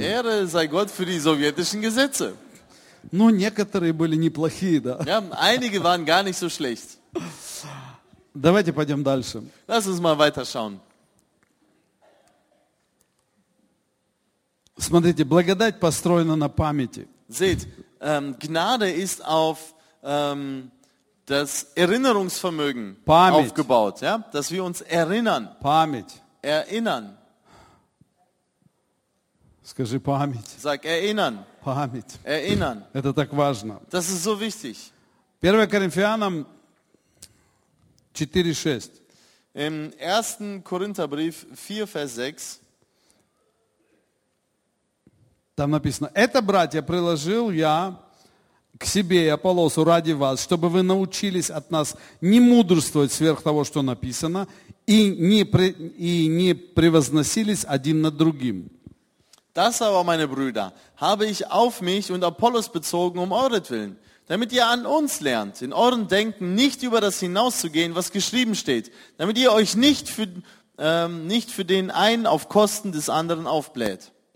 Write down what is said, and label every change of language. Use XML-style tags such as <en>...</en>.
<de>Ehre sei Gott für die sowjetischen Gesetze.</de> <ru>Ну, некоторые были неплохие, да.</ru> <de>Ja, einige waren gar nicht so schlecht.</de> <ru>Давайте пойдем дальше.</ru> <de>Lass uns mal weiterschauen.</de> <ru>Смотрите, благодать построена на памяти.</ru> <de>Seht, Gnade ist auf das Erinnerungsvermögen</de> <ru>память.</ru> <de>Aufgebaut, ja? Dass wir uns erinnern.</de> <ru>Память.</ru> <de>Erinnern.</de> <ru>Скажи память.</ru> <de>Sag erinnern.</de> <ru>Память.</ru> <de>Erinnern.</de> <ru>Это так важно.</ru> <de>Das ist so wichtig.</de> <ru>1. Коринфянам 4:6.</ru> <de>Im 1. Korintherbrief 4, Vers 6.</de> <ru>Там написано: «Это, братья, приложил я к себе и Аполлосу ради вас, чтобы вы научились от нас не мудрствовать сверх того, что написано, и не превозносились один над другим».</ru> <de>Das aber, meine Brüder, habe ich auf mich und Apollos bezogen um euretwillen, damit ihr an uns lernt, in euren Denken nicht über das hinauszugehen, was geschrieben steht, damit ihr euch nicht für den einen auf Kosten des anderen aufbläht.</de>